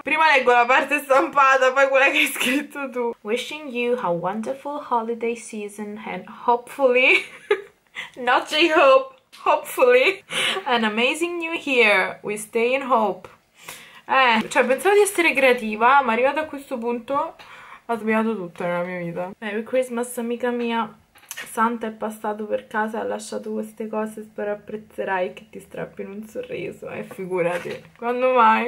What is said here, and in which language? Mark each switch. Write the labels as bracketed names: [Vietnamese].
[Italian] Prima leggo la parte stampata, poi quella che hai scritto tu. [English] Wishing you a wonderful holiday season and hopefully, not J Hope! Hopefully, an amazing new year. We stay in hope. [Italian] Cioè, pensavo di essere creativa, ma arrivata a questo punto ho sbagliato tutto nella mia vita. [English] Merry Christmas, [Italian] amica mia. Santa è passato per casa e ha lasciato queste cose. Spero apprezzerai che ti strappino un sorriso. Figurati, quando mai?